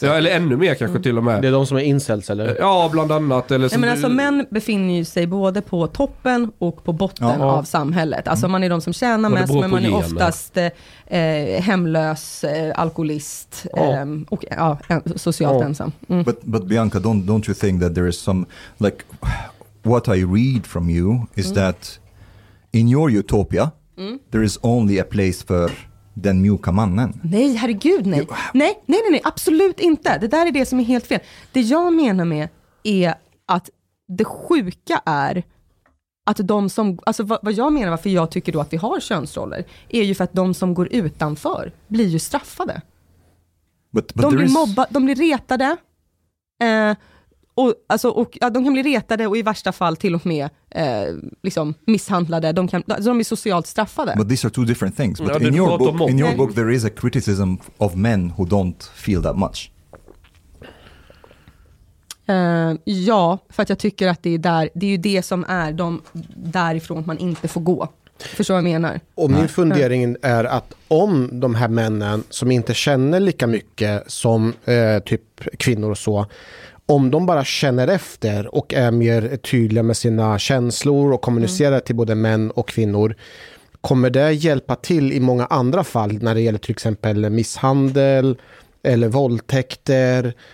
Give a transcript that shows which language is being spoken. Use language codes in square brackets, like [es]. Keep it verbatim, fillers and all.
[sv] Ja, eller ännu mer kanske mm. till och med. Det är de som är incels eller? Ja, bland annat. Eller Nej, men alltså, män befinner ju sig både på toppen och på botten ja, ja. av samhället. Alltså man är de som tjänar mest, men man är oftast eh, hemlös, eh, alkoholist ja. eh, och ja, socialt ja. ensam. Mm. [en] But, but Bianca, don't, don't you think that there is some... like what I read from you is mm. that in your utopia mm. there is only a place for [sv] den mjuka mannen. Nej, herregud, nej. You... nej. Nej, nej, nej, absolut inte. Det där är det som är helt fel. Det jag menar med är att det sjuka är att de som, alltså vad, vad jag menar, varför jag tycker då att vi har könsroller är ju för att de som går utanför blir ju straffade. [en] But, but [sv] de blir [en] is... [sv] mobbade, de blir retade. Eh, Och, alltså, och, ja, de kan bli retade och i värsta fall till och med eh, liksom misshandlade. De, kan, alltså, de är socialt straffade. [en] But these are two different things. But ja, in, your book, in your book there is a criticism of men who don't feel that much. [sv] Uh, ja, för att jag tycker att det är, där, det är ju det som är de därifrån man inte får gå. Förstår vad jag menar. Och min fundering är att om de här männen som inte känner lika mycket som eh, typ kvinnor och så, om de bara känner efter och är mer tydliga med sina känslor och kommunicerar mm. till både män och kvinnor, kommer det hjälpa till i många andra fall när det gäller till exempel misshandel eller våldtäkter?